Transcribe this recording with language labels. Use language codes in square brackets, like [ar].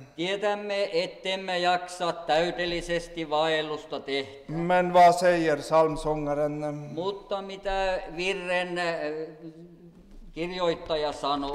[fi] Tiedämme, ettemme jaksa täydellisesti vaellusta tehdä. [sv] Men vad säger psalmsångaren? [fi] Mutta mitä virren kirjoittaja sanoo?